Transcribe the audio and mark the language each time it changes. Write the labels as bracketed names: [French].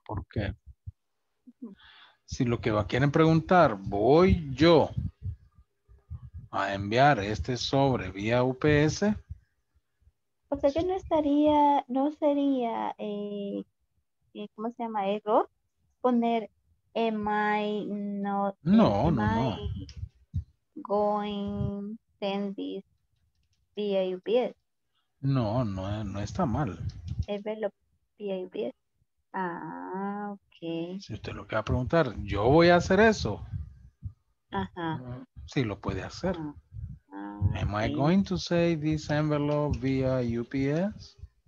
[Spanish] Porque si lo que quieren preguntar, voy yo a enviar este sobre vía UPS. O sea que no sería, ¿cómo se llama? Error poner [English] am I not going to send this via UPS? [Spanish] No, no está mal. [English] Envelope via UPS. Ah, [Spanish] Si usted lo quiere preguntar, yo voy a hacer eso. Ajá. Sí, lo puede hacer. [English] Am I going to say this envelope via UPS?